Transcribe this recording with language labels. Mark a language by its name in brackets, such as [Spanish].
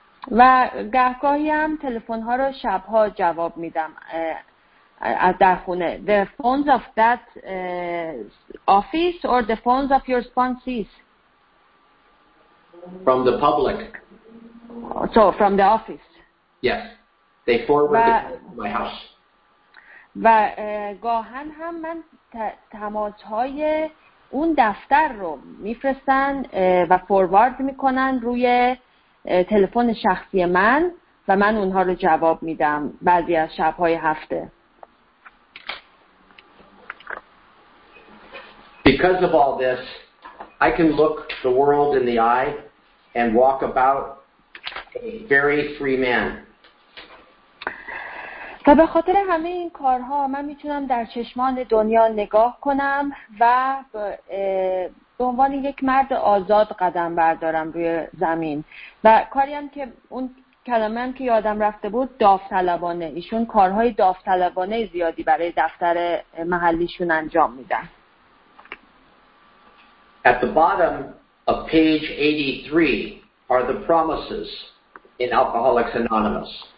[Persian] و گهگاهی هم تلفن ها رو شب ها جواب میدم از در خونه. [English] The phones of that office or the phones of your sponsees? From the public. So from the office. Yes. They forward it to my house. [Persian] و گاهن هم من تماس های اون دفتر رو میفرستن و فوروارد میکنن روی تلفن شخصی من و من اونها رو جواب میدم بعضی از شب های هفته. [English] Because of all this, I can look the world in the eye and walk about very free man. [Persian] و به خاطر همه این کارها من میتونم در چشمان دنیا نگاه کنم و به عنوان یک مرد آزاد قدم بردارم روی زمین. و کاری هم که اون کلمه هم که یادم رفته بود داوطلبانه، ایشون کارهای داوطلبانه زیادی برای دفتر محلیشون انجام میدن. [English] At the bottom of page 83 are the promises in Alcoholics Anonymous.